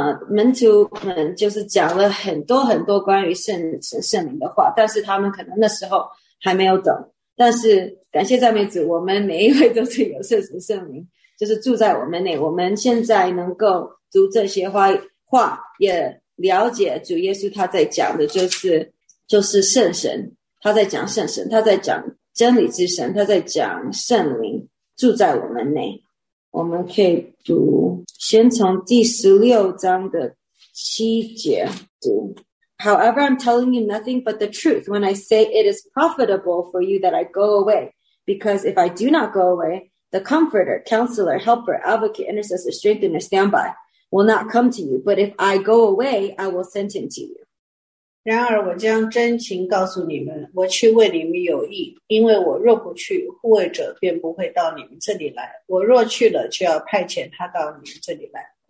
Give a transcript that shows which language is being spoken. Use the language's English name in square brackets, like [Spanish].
[Chinese] 门徒们就是讲了很多很多关于圣灵的话，但是他们可能那时候还没有懂，但是感谢赞美主，我们每一位都是有圣灵就是住在我们内，我们现在能够读这些话也了解主耶稣他在讲的就是圣神，他在讲圣神，他在讲真理之神，他在讲圣灵住在我们内。我们可以读先从第16章的7节读。 [English] However, I'm telling you nothing but the truth when I say it is profitable for you that I go away. Because if I do not go away, the comforter, counselor, helper, advocate, intercessor, strengthener, standby will not come to you. But if I go away, I will send him to you. [Chinese] 然而我将真情告诉你们，我去为你们有益，因为我若不去，护卫者便不会到你们这里来，我若去了就要派遣他到你们这里来，